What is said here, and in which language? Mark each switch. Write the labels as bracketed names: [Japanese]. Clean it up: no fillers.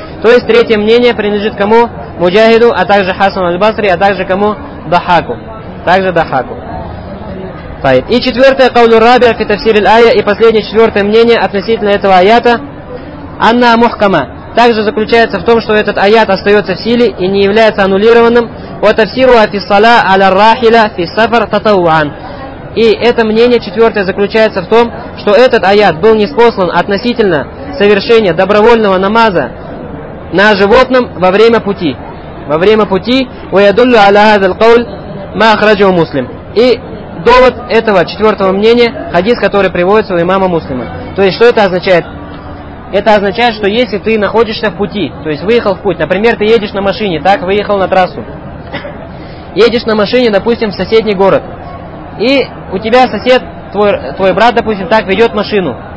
[Russian] То есть третье мнение принадлежит кому? Муджахиду, а также Хасану аль-Басри, а также кому? Дахаку. Также Дахаку. И четвертое [Arabic] каулю рабиа фи тафсир аль-Ая, [Russian] и последнее четвертое мнение относительно этого аята [Arabic] анна мухкама. [Russian] Также заключается в том, что этот аят остается в силе и не является аннулированным. [Arabic] وتفسيره في الصلاة على الراحلة في السفر تطوعا. [Russian] И это мнение четвертое заключается в том, что этот аят был ниспослан относительно совершения добровольного намаза на животном во время пути. Во время пути. [Arabic] ويدل على هذا القول ما أخرجه مسلم. [Russian] И довод этого четвертого мнения хадис, который приводится у имама Муслима. То есть что это означает? Это означает, что если ты находишься в пути, то есть выехал в путь, например, ты едешь на машине, так, выехал на трассу. Едешь на машине, допустим, в соседний город. И у тебя сосед, твой брат, допустим, так ведет машину.